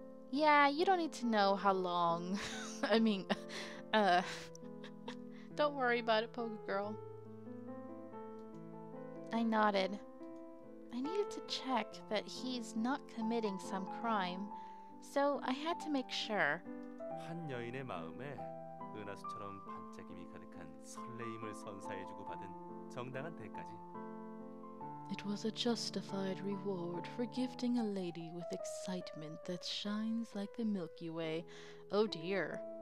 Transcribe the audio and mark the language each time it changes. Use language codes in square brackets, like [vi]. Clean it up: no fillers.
[en] Yeah, you don't need to know how long. I mean, don't worry about it, Poke Girl. I nodded. I needed to check that he's not committing some crime, so I had to make sure. [ko] 한 여인의 마음에 은하수처럼 반짝임이 가득한 설레임을 선사해주고 받은 정당한 대가지. [en] It was a justified reward for gifting a lady with excitement that shines like the Milky Way. Oh dear.